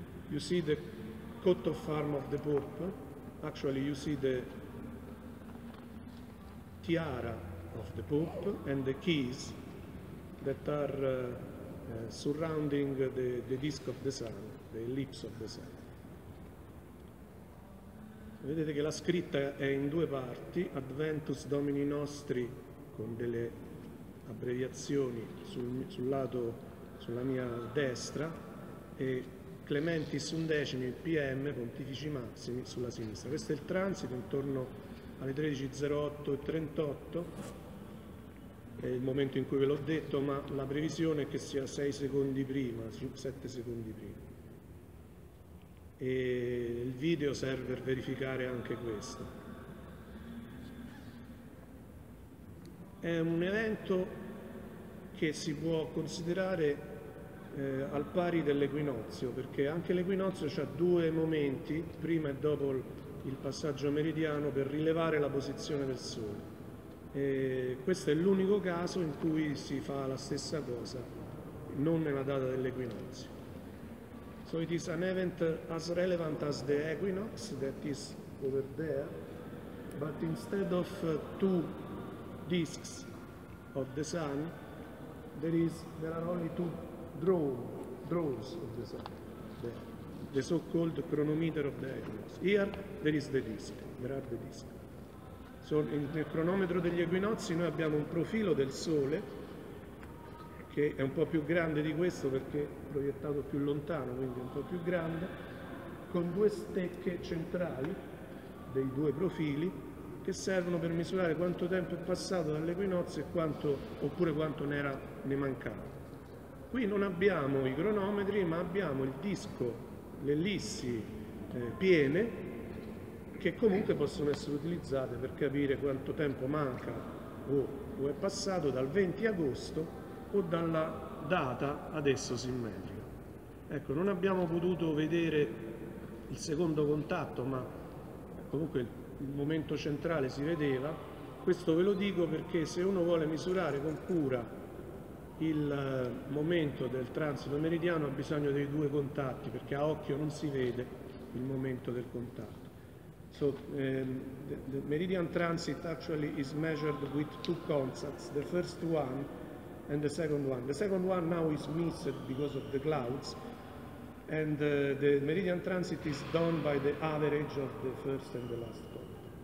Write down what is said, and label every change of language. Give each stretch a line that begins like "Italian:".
English: You see the coat of arms of the Pope, actually you see the tiara of the Pope and the keys that are surrounding the disk of the sun, the ellipse of the sun.
Italian: Vedete che la scritta è in due parti, Adventus Domini Nostri, con delle abbreviazioni sul lato, sulla mia destra, e Clementis Undecimi, PM, Pontifici Massimi, sulla sinistra. Questo è il transito intorno alle 13.08.38, è il momento in cui ve l'ho detto, ma la previsione è che sia 6 secondi prima, 7 secondi prima. E il video serve per verificare anche questo. È un evento che si può considerare al pari dell'equinozio, perché anche l'equinozio ha due momenti, prima e dopo il passaggio meridiano, per rilevare la posizione del sole. E questo è l'unico caso in cui si fa la stessa cosa, non nella data dell'equinozio.
English: So it is an event as relevant as the equinox that is over there, but instead of two discs of the sun, there are only two drones of the sun, the so-called chronometer of the equinox. Here there are the discs.
Italian: So nel cronometro degli equinozi noi abbiamo un profilo del sole che è un po' più grande di questo, perché proiettato più lontano, quindi un po' più grande, con due stecche centrali dei due profili che servono per misurare quanto tempo è passato dall'equinozio e quanto ne mancava. Qui non abbiamo i cronometri, ma abbiamo il disco, le ellissi piene, che comunque possono essere utilizzate per capire quanto tempo manca o è passato dal 20 agosto o dalla data adesso simmetrica. Ecco, non abbiamo potuto vedere il secondo contatto, ma comunque il momento centrale si vedeva. Questo ve lo dico perché se uno vuole misurare con cura il momento del transito meridiano ha bisogno dei due contatti, perché a occhio non si vede il momento del contatto.
English: So the meridian transit actually is measured with two contacts. The first one and the second one. The second one now is missed because of the clouds, and the meridian transit is done by the average of the first and the last contact.